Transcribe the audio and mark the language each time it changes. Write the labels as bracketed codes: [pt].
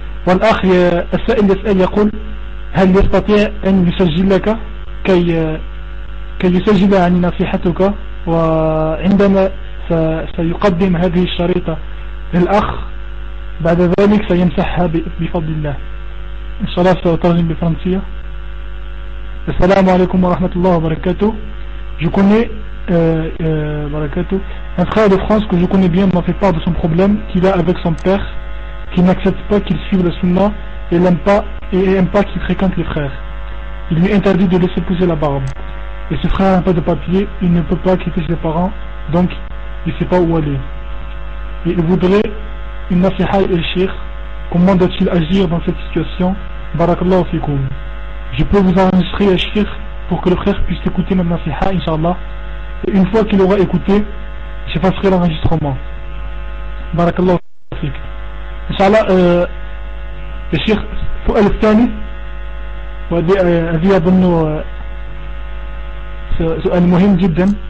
[ar] والأخ السائل يسأل يقول: هل يستطيع أن يسجل لك كي يسجل عن نصيحتك، وعندما سيقدم هذه الشريطة للأخ بعد ذلك سيمسحها بفضل الله إن شاء الله؟ سأترجم بالفرنسية. السلام عليكم ورحمة الله وبركاته. [fr] Je connais un frère de France que je connais bien m'a fait part de son problème qu'il a avec son père qui n'accepte pas qu'il suive la sunna et l'aime pas et aime pas qu'il fréquente les frères. Il lui interdit de laisser pousser la barbe. Et ce frère n'a pas de papier, il ne peut pas quitter ses parents, donc il ne sait pas où aller. Et il voudrait une nasiha et le shir. Comment doit-il agir dans cette situation? Barakallahu fikoum. Je peux vous enregistrer un shir pour que le frère puisse écouter ma nasiha, Inch'Allah. Et une fois qu'il aura écouté, j'effacerai l'enregistrement. Barakallahu fikoum. Inch'Allah, le shir. [ar] السؤال الثاني وهذه أظن سؤال مهم جدا.